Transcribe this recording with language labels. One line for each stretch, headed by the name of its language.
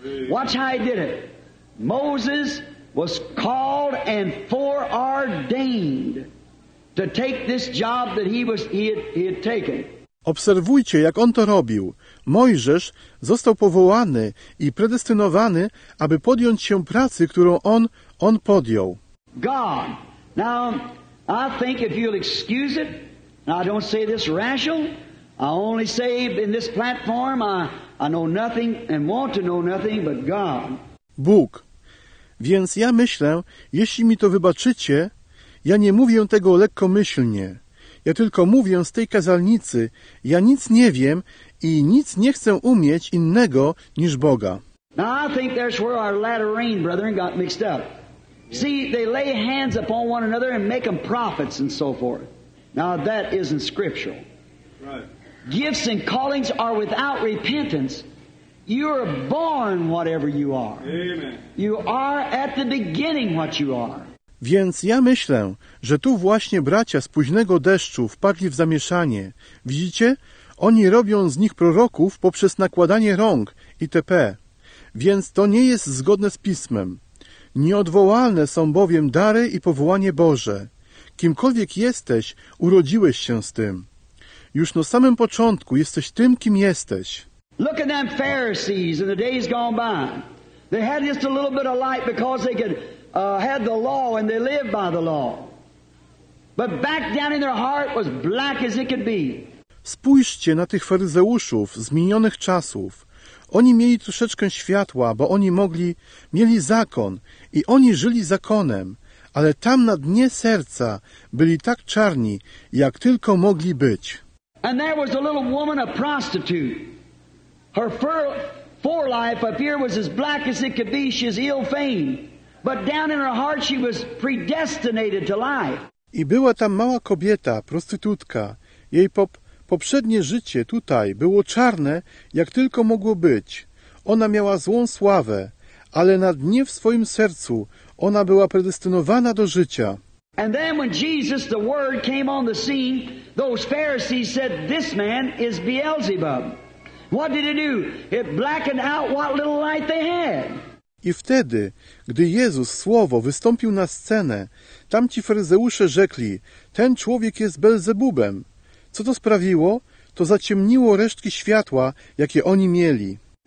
English: Watch how He did it. Moses was called and foreordained to take this job that he had taken.
Polish: Obserwujcie, jak On to robił. Mojżesz został powołany i predestynowany, aby podjąć się pracy, którą on podjął.
English: God. Now, I think if you'll excuse it, and I don't say this rational, I only say in this platform, I know nothing and want to know nothing but God.
Polish: Bóg. Więc ja myślę, jeśli mi to wybaczycie, ja nie mówię tego lekkomyślnie. Ja tylko mówię z tej kazalnicy, ja nic nie wiem i nic nie chcę umieć innego niż Boga.
English: Now I think that's where our Lateran brethren got mixed up. See, they lay hands upon one another and make them prophets and so forth. Now that isn't scriptural. Gifts and callings are without repentance. You are born whatever you are. Amen. You are at the beginning what you are.
Polish: Więc ja myślę, że tu właśnie bracia z późnego deszczu wpadli w zamieszanie. Widzicie? Oni robią z nich proroków poprzez nakładanie rąk itp. Więc to nie jest zgodne z Pismem. Nieodwołalne są bowiem dary i powołanie Boże. Kimkolwiek jesteś, urodziłeś się z tym. Już na samym początku jesteś tym, kim jesteś.
English: Look at them Pharisees in the days gone by. They had just a little bit of light because they could had the law and they lived by the law. But back down in their heart was black as it could be.
Polish: Spójrzcie na tych faryzeuszów z minionych czasów. Oni mieli troszeczkę światła, bo oni mieli zakon i oni żyli zakonem, ale tam na dnie serca byli tak czarni, jak tylko mogli być.
English: And there was a little woman, a prostitute. Her forelife up here was as black as it could be. She was ill-famed. But down in her heart she was predestinated to life.
Polish: I była tam mała kobieta, prostytutka. Jej poprzednie życie tutaj było czarne, jak tylko mogło być. Ona miała złą sławę, ale na dnie w swoim sercu ona była predestynowana do życia.
English: And then when Jesus, the Word, came on the scene, those Pharisees said, "This man is Beelzebub." What did it do? It blackened out what little light they had.
Polish: I wtedy, gdy Jezus, Słowo, wystąpił na scenę, tamci faryzeusze rzekli: ten człowiek jest Belzebubem. Co to sprawiło? To zaciemniło resztki światła, jakie oni mieli.